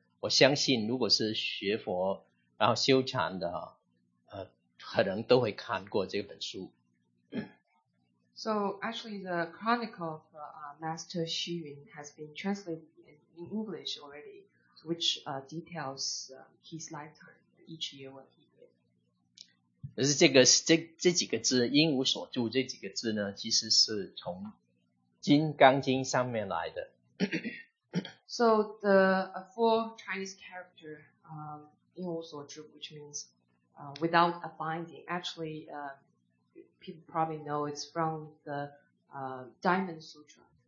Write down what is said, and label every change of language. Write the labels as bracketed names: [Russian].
[Chinese] 我相信如果是学佛然后修禅的、啊、可能都会看过这本书。 [English] So actually the chronicle of Master Xu Yun has been translated in English already, which details his lifetime each year what he did. [Chinese] 可是这几个字因无所住这几个字呢其实是从金刚经上面来的。 [English] So the four Chinese character, [Chinese] 因无所住 [English] which means without abiding, actually, people probably know it's from the Diamond Sutra.